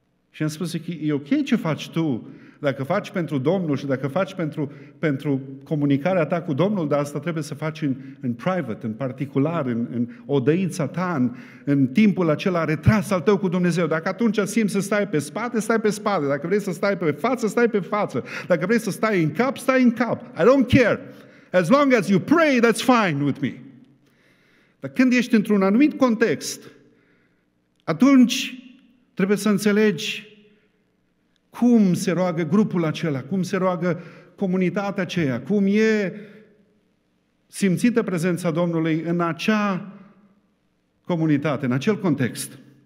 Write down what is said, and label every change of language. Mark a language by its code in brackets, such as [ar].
[ro] Și am spus, zic, e ok ce faci tu, dacă faci pentru Domnul și dacă faci pentru comunicarea ta cu Domnul, dar asta trebuie să faci în private, în particular, în odăița ta, în timpul acela retras al tău cu Dumnezeu. Dacă atunci simți să stai pe spate, stai pe spate. Dacă vrei să stai pe față, stai pe față. Dacă vrei să stai în cap, stai în cap. [en] I don't care. As long as you pray, that's fine with me. [ro] Dar când ești într-un anumit context, atunci trebuie să înțelegi cum se roagă grupul acela, cum se roagă comunitatea aceea, cum e simțită prezența Domnului în acea comunitate, în acel context.